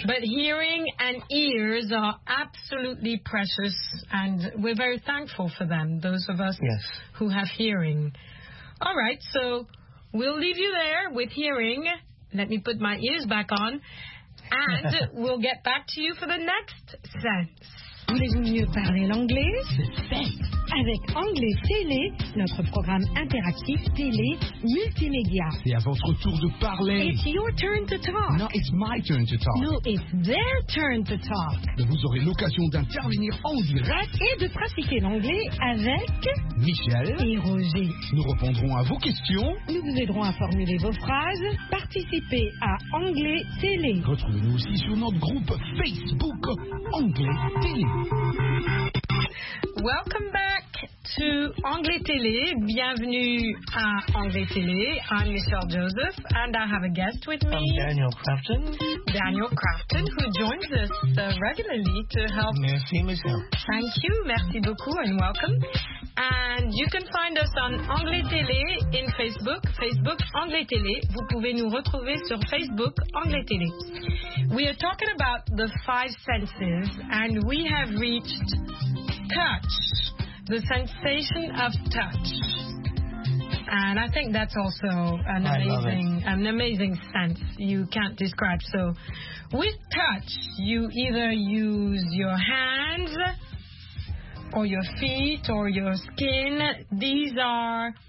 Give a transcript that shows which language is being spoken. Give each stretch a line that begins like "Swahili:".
English: But hearing and ears are absolutely precious, and we're very thankful for them, those of us yes. who have hearing. All right, so we'll leave you there with hearing. Let me put my ears back on, and we'll get back to you for the next sense.
French: Voulez-vous mieux parler l'anglais? Avec Anglais Télé, notre programme interactif télé multimédia. C'est à votre tour de parler.
English: It's your turn to talk. No, it's my turn to talk. No, it's their turn to talk.
French: Et vous aurez l'occasion d'intervenir en direct et de pratiquer l'anglais avec Michel et Roger. Nous répondrons à vos questions. Nous vous aiderons à formuler vos phrases. Participez à Anglais Télé. Retrouvez-nous aussi sur notre groupe Facebook Anglais Télé.
English: Welcome back to Anglais Télé.
French: Bienvenue à Anglais Télé.
English: I'm Michelle Joseph, and I have a guest with me. I'm Daniel Crafton. Daniel Crafton, who joins us regularly to help.
French: Merci, Michelle.
English: Thank you.
French: Merci beaucoup,
English: and welcome. And you can find us on Anglais Télé in Facebook, Facebook Anglais Télé.
French: Vous pouvez nous retrouver sur Facebook Anglais Télé.
English: We are talking about the five senses, and we have reached touch, the sensation of touch. And I think that's also an amazing sense you can't describe. So with touch, you either use your hands or your feet or your skin. These are